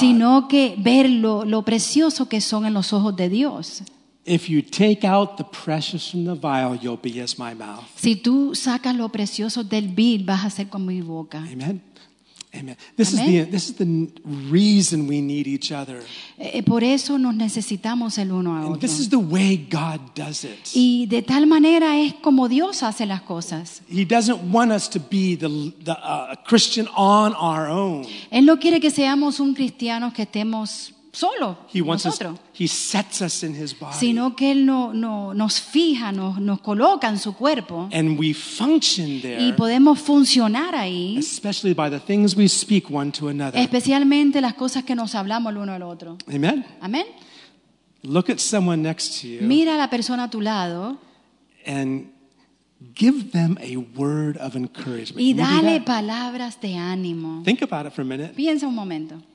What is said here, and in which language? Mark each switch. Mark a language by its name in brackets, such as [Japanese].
[Spanish] Sino que ver lo precioso que son en los ojos de Dios. [English] If you take out the precious from the vial, you'll be as my mouth. [Spanish] Si tú sacas lo precioso del vil, vas a ser como mi boca. [English] Amen. Amen. This is the reason we need each other. [Spanish] Por eso nos necesitamos el uno a otro. [English] And this is the way God does it. [Spanish] Y de tal manera es como Dios hace las cosas. [English] He doesn't want us to be the Christian on our own. [Spanish] Él no quiere que seamos un cristiano que estemos solo. [English] He wants [Spanish] nosotros. [English] Us. He sets us in His body. [Spanish] Sino que él no nos fija, nos coloca en su cuerpo. [English] And we function there. [Spanish] Y podemos funcionar ahí. [English] Especially by the things we speak one to another. [Spanish] Especialmente las cosas que nos hablamos el uno al otro. [English] Amen. [Spanish] Amen. [English] Look at someone next to you. [Spanish] Mira a la persona a tu lado. [English] And Give them a word of encouragement. [Spanish] Y dale palabras de ánimo. [English] Think about it for a minute. [Spanish] Piensa un momento.